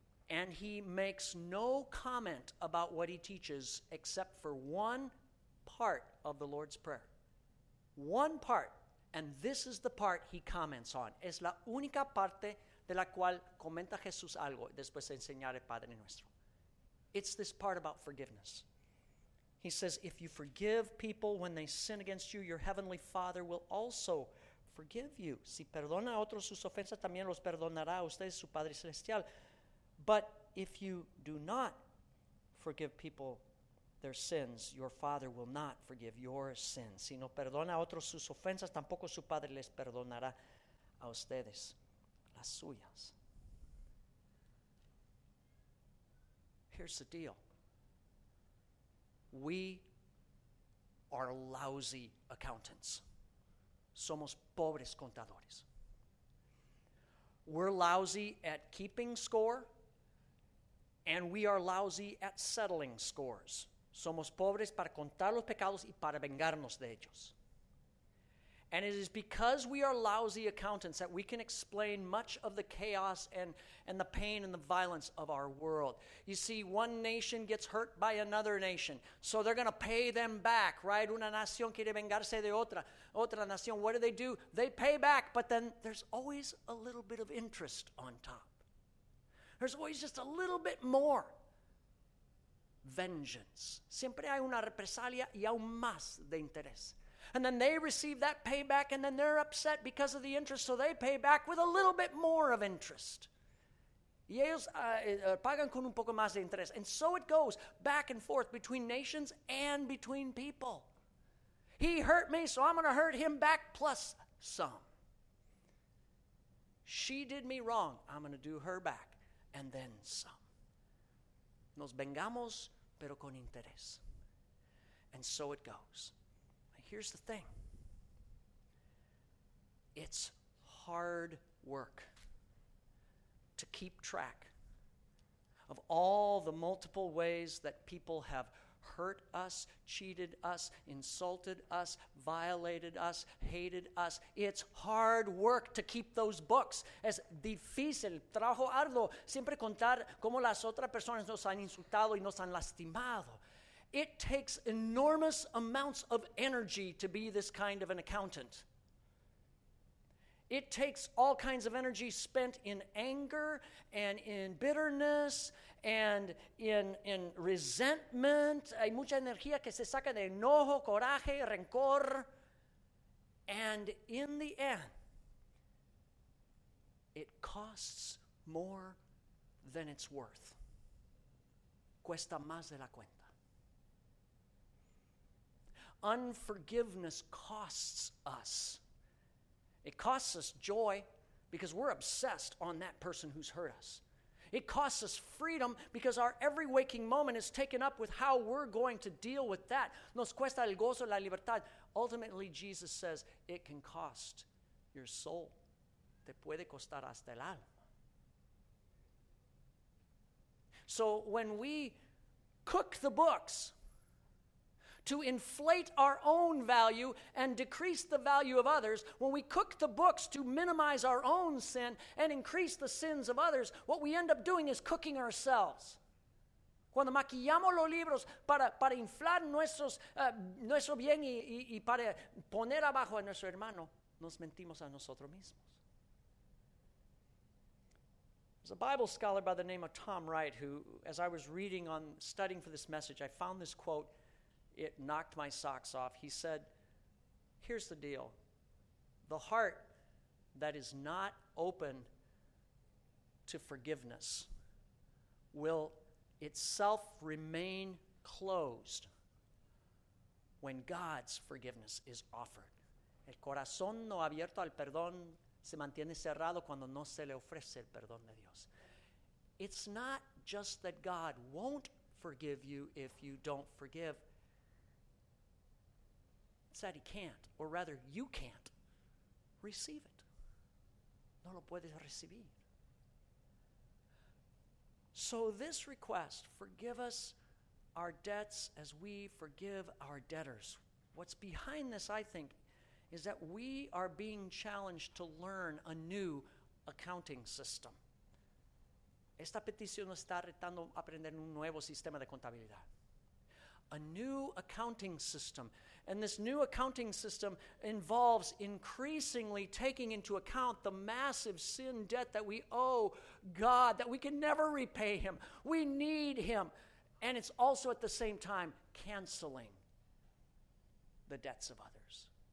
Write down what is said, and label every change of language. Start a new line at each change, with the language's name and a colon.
English: And he makes no comment about what he teaches except for one part of the Lord's Prayer. One part. And this is the part he comments on.
Spanish: Es la única parte de la cual comenta Jesús algo después de enseñar el Padre Nuestro.
English: It's this part about forgiveness. He says, if you forgive people when they sin against you, your heavenly Father will also forgive you.
Spanish: Si perdona a otros sus ofensas, también los perdonará a ustedes, su Padre Celestial.
English: But if you do not forgive people their sins, your Father will not forgive your sins.
Spanish: Si no perdona a otros sus ofensas, tampoco su Padre les perdonará a ustedes las suyas.
English: Here's the deal. We are lousy accountants.
Spanish: Somos pobres contadores.
English: We're lousy at keeping score, and we are lousy at settling scores.
Spanish: Somos pobres para contar los pecados y para vengarnos de ellos.
English: And it is because we are lousy accountants that we can explain much of the chaos and the pain and the violence of our world. You see, one nation gets hurt by another nation, so they're going to pay them back, right?
Spanish: Una nación quiere vengarse de otra nación.
English: What do? They pay back, but then there's always a little bit of interest on top. There's always just a little bit more. Vengeance.
Spanish: Siempre hay una represalia y aún más de interés.
English: And then they receive that payback, and then they're upset because of the interest, so they pay back with a little bit more of interest.
Spanish: Y ellos pagan con un poco más de interés.
English: And so it goes back and forth between nations and between people. He hurt me, so I'm going to hurt him back plus some. She did me wrong, I'm going to do her back, and then some.
Spanish: Nos vengamos, pero con interés.
English: And so it goes. Here's the thing. It's hard work to keep track of all the multiple ways that people have hurt us, cheated us, insulted us, violated us, hated us. It's hard work to keep those books.
Spanish: Es difícil, trabajo arduo, siempre contar cómo las otras personas nos han insultado y nos han lastimado.
English: It takes enormous amounts of energy to be this kind of an accountant. It takes all kinds of energy spent in anger and in bitterness and in resentment.
Spanish: Hay mucha energía que se saca de enojo, coraje, rencor.
English: And in the end, it costs more than it's worth.
Spanish: Cuesta más de la cuenta.
English: Unforgiveness costs us. It costs us joy because we're obsessed on that person who's hurt us. It costs us freedom because our every waking moment is taken up with how we're going to deal with that.
Spanish: Nos cuesta el gozo, la libertad.
English: Ultimately, Jesus says, it can cost your soul.
Spanish: Te puede costar hasta el alma.
English: So when we cook the books to inflate our own value and decrease the value of others, when we cook the books to minimize our own sin and increase the sins of others, what we end up doing is cooking ourselves.
Spanish: Cuando maquillamos los libros para inflar nuestro bien y para poner abajo a nuestro hermano, nos mentimos a nosotros mismos.
English: There's a Bible scholar by the name of Tom Wright who, as I was reading on studying for this message, I found this quote. It knocked my socks off. He said, here's the deal. The heart that is not open to forgiveness will itself remain closed when God's forgiveness is offered.
Spanish: El corazón no abierto al perdón se mantiene cerrado cuando no se le ofrece el perdón de Dios.
English: It's not just that God won't forgive you if you don't forgive. It's that he can't, or rather, you can't receive it.
Spanish: No lo puedes recibir.
English: So this request, forgive us our debts as we forgive our debtors. What's behind this, I think, is that we are being challenged to learn anew accounting system.
Spanish: Esta petición nos está retando a aprender un nuevo sistema de contabilidad.
English: A new accounting system. And this new accounting system involves increasingly taking into account the massive sin debt that we owe God, that we can never repay Him. We need Him. And it's also at the same time canceling the debts of others.